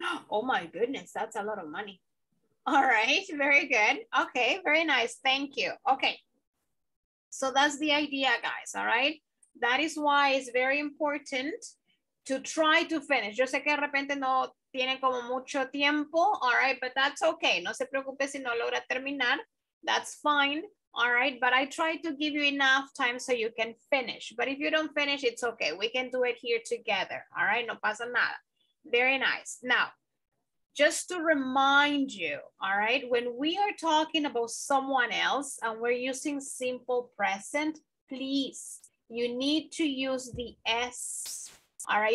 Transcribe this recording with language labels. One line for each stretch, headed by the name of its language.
English: Oh my goodness, that's a lot of money. All right, very good. Okay, very nice. Thank you. Okay, so that's the idea, guys. All right, that is why it's very important to try to finish.
Spanish: Yo sé que de repente no tienen como mucho tiempo.
English: All right, but that's okay.
Spanish: No se preocupe si no logra terminar.
English: That's fine. All right, but I try to give you enough time so you can finish. But if you don't finish, it's okay. We can do it here together. All right,
Spanish: no pasa nada.
English: Very nice. Now, just to remind you, all right, when we are talking about someone else and we're using simple present, please, you need to use the S, all right?